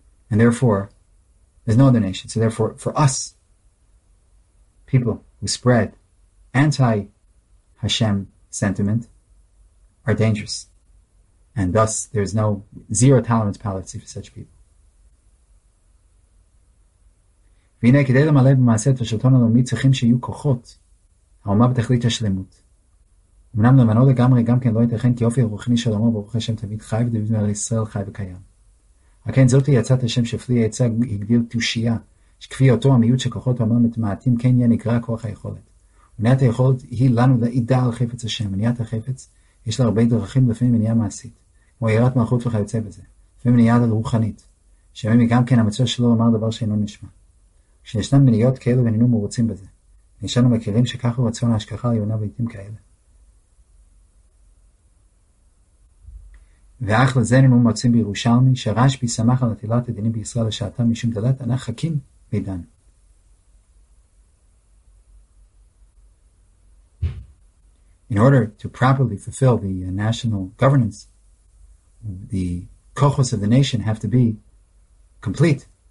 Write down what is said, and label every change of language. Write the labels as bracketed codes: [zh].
[en] And therefore, there's no other nation. So therefore, for us, people who spread anti-Hashem sentiment are dangerous. And thus, there's no zero tolerance policy for such people. [he] והנה כדי למלא במעשה את השלטון הלאומי צריכים שיהיו כוחות, האומה בתכלית השלמות. אמנם למנוע לגמרי גם כן לא ייתכן כי אופי הרוחני של האומה ברוך השם תמיד חי ודוד מלך ישראל חי וקיים. הכן זאת היא יצאת השם שפלי יצא הגדיל תושייה, שכפי אותו המיעוט שכוחות האומה מתמעטים כן יהיה נקרא כוח היכולת. מניעת היכולת היא לנו לעידה על חפץ השם. מניעת החפץ יש לה הרבה דרכים, לפעמים מניעה מעשית, כמו יראת מלכות וכיוצא בזה, לפעמים מניעת רוחנית, שהיא גם כן המצווה שלא לומר דבר שאינו נשמע. כשישנם מניעות כאלו ואיננו מרוצים בזה, וישנו מכירים שככה הוא רצון ההשכחה העליונה בעיתים כאלה. ואך לזה איננו מוצאים בירושלמי, שרשב"י שמח על נטילת הדינים בישראל לשעתה משום דלת ענה חכים מידן. [en] In order to properly fulfill the national governance, the kochos of the nation have to be complete.